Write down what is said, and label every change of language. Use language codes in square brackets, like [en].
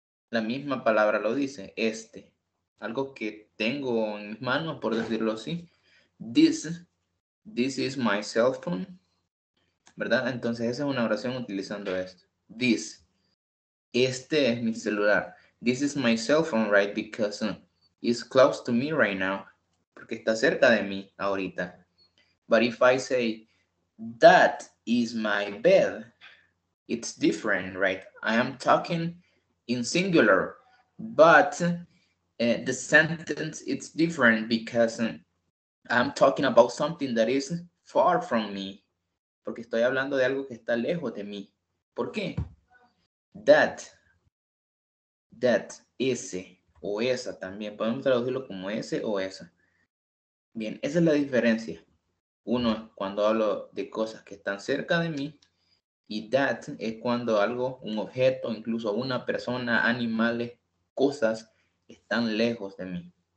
[es] La misma palabra lo dice, este. Algo que tengo en mis manos, por decirlo así. [en] This is my cell phone. [es] ¿Verdad? Entonces esa es una oración utilizando esto. This. Este es mi celular. [en] This is my cell phone, right? Because it's close to me right now. [es] Porque está cerca de mí ahorita. [en] But if I say, that is my bed, it's different, right? I am talking in singular, but the sentence is different because I'm talking about something that is far from me. [es] Porque estoy hablando de algo que está lejos de mí. ¿Por qué? That, ese, o esa también. Podemos traducirlo como ese o esa. Bien, esa es la diferencia. Uno es cuando hablo de cosas que están cerca de mí. Y that es cuando algo, un objeto, incluso una persona, animales, cosas, están lejos de mí.